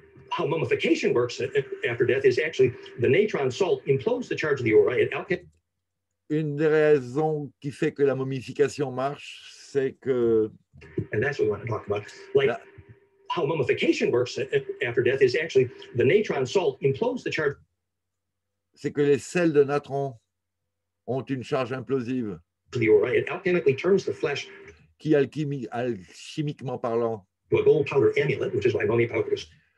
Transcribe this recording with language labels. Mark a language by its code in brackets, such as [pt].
[en] How mummification works after death is actually the natron salt implodes the charge of the aura. [fr] Une des raisons qui fait que la momification marche, c'est que. [en] And that's what we want to talk about. Like how mummification works after death is actually the natron salt implodes the charge. [fr] C'est que les sels de natron ont une charge implosive. [en] The aura, it alchemically turns the flesh. [fr] Qui alchimiquement parlant. [en] To a gold powder amulet, which is why mummy powders.